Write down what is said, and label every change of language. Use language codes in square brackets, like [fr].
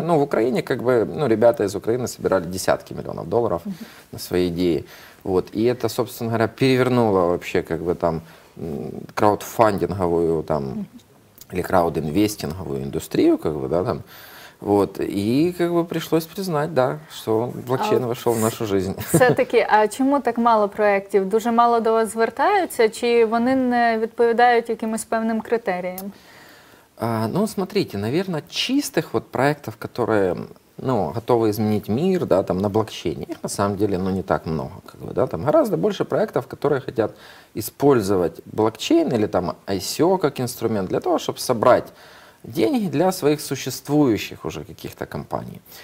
[ru] ну, в Украине, как бы, ну, ребята из Украины собирали десятки миллионов долларов на свои идеи. Вот, и это, собственно говоря, перевернуло вообще, как бы, там, краудфандинговую, там, или краудинвестинговую индустрию, как бы, да, там. Вот, и как бы пришлось признать, да, что блокчейн вошел в нашу жизнь. [uk] Все-таки, а чому так мало проектів? Дуже мало до вас звертаються, чи вони не відповідають якимось певним критеріям? [ru] Ну, смотрите, наверное, чистих вот проектов, которые, ну, готовы изменить мир, да, там, на блокчейне, их на самом деле, ну, не так много, как бы, да, там гораздо больше проектов, которые хотят использовать блокчейн или там ICO как инструмент для того, чтобы собрать деньги для своих существующих уже каких-то компаний.